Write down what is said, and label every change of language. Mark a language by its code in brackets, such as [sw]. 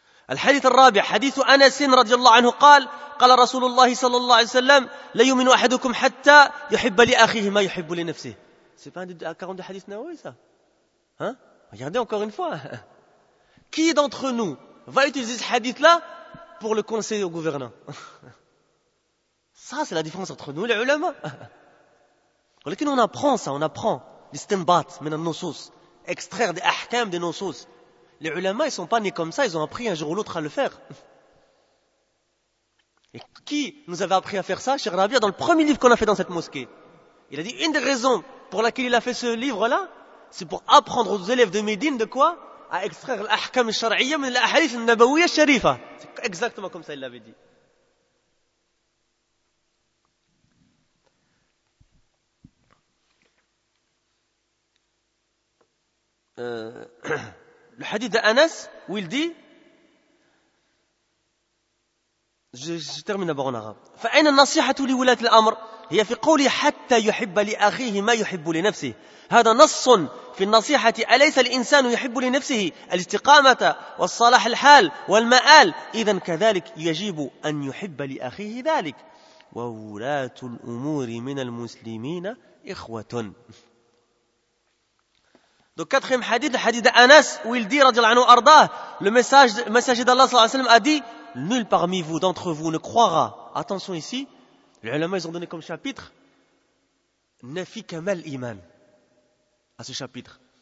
[ar] الحديث الرابع حديث أنس رضي الله عنه قال قال رسول الله صلى الله عليه وسلم لا يؤمن أحدكم حتى يحب لأخيه ما يحب لنفسه. [fr] C'est pas un des 42 hadiths nawawi ça? Hein? Regardez encore une fois. Qui d'entre nous va utiliser ce hadith là pour le conseiller au gouvernant? Ça c'est la différence entre nous les ulama. Mais on apprend ça, on apprend l'istinbat min an-nusus, extraire des ahkam des nusus. Les ulama, ils ne sont pas nés comme ça, ils ont appris un jour ou l'autre à le faire. Et qui nous avait appris à faire ça, cher Rabia, dans le premier livre qu'on a fait dans cette mosquée? Il a dit, une des raisons pour laquelle il a fait ce livre-là, c'est pour apprendre aux élèves de Médine de quoi? À extraire l'ahkam shar'iyya min l'ahadith nabawiyya sharifa. C'est exactement comme ça il l'avait dit. Le hadith d'Anas, où il dit, je termine d'abord en arabe. [ar] فأين النصيحة لولاة الأمر هي في قولي حتى يحب لأخيه ما يحب لنفسه. هذا نص في النصيحة. أليس الإنسان يحب لنفسه الاستقامة والصلاح الحال والمآل؟ إذن كذلك يجب أن يحب لأخيه ذلك. وولاة الأمور من المسلمين إخوة. [fr] Donc, quatrième hadith, le hadith d'Anas, où il dit, radiallahu anhu, le messager d'Allah sallallahu alayhi wa sallam a dit, nul parmi vous, d'entre vous, ne croira, attention ici, les ulama, ils ont donné comme chapitre, nafi kamal iman, à ce chapitre.